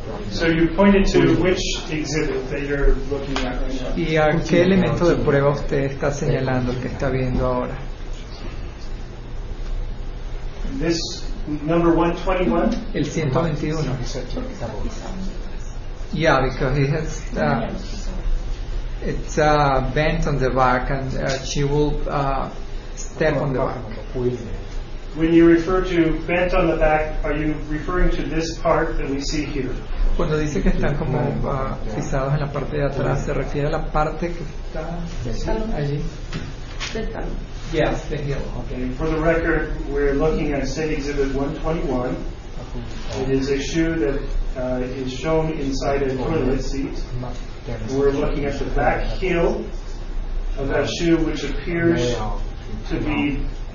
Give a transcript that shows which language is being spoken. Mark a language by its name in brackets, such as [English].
[English] So you pointed to which exhibit that you're looking at right now. [Spanish] ¿Y a qué elemento de prueba usted está señalando que está viendo ahora? [English] This number 121. [Spanish] El 121. [English] Yeah, because he has it's bent on the back and she will step on the back. When you refer to bent on the back, are you referring to this part that we see here? [Spanish] Cuando dice que están como pisados en la parte de atrás, se refiere a la parte que está allí. [English] Yes, the heel. Okay. For the record, we're looking at State Exhibit 121. It is a shoe that is shown inside a toilet seat. We're looking at the back heel of that shoe, which appears to be